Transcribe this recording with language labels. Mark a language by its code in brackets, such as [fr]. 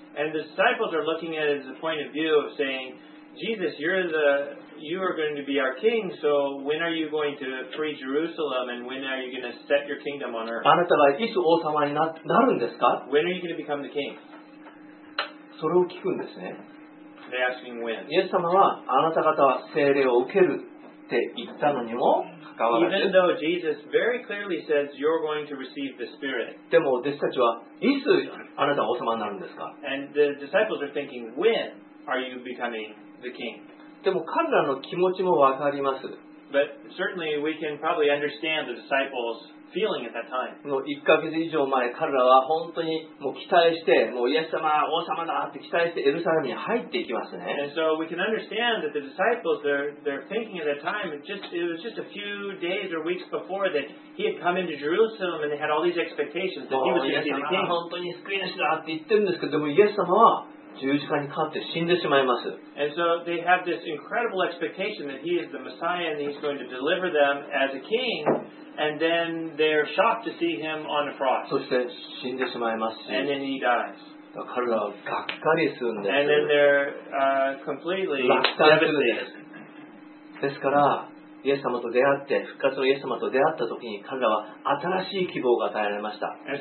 [en] And the disciples are looking at it as a point of view of saying, Jesus, You are going to be our king, so when are you going to free Jerusalem and when are you going to set your kingdom on earth? [ja] あなたはいつ王様になるんですか? [en] When are you going to become the king? [ja] それを聞くんですね。 [en] They're asking when. [ja] イエス様はあなた方は聖霊を受けるって言ったのにも関わらず。 [en] Even though Jesus very clearly says you're going to receive the Spirit. [ja] でも弟子たちはいつあなたは王様になるんですか? [en] And the disciples are thinking, when are you becoming the king? [ja] でも彼らの気持ちもわかります。 [en] But certainly we can probably understand the disciples' feeling at that time. [ja] もう1ヶ月以上前、彼らは本当にもう期待して、もうイエス様、王様だって期待してエルサレムに入っていきますね。 [en] And so we can understand that the disciples, they're thinking at that time, it was just a few days or weeks before that he had come into Jerusalem and they had all these expectations that he was going to be the king. [ja] 本当に救い主だって言ってるんですけど、でもイエス様は十字架にかかって死んでしまいます。 [en] And so they have this incredible expectation that he is the Messiah and he's going to deliver them as a king, and then they're shocked to see him on a cross. [ja] そして死んでしまいますし。 [en] And then he dies. [ja] 彼らはがっかりするんです。 [en] And then they're completely devastated. [ja] ですからイエス様と出会って復活のイエス様と出会った時に彼らは新しい希望が与えられました。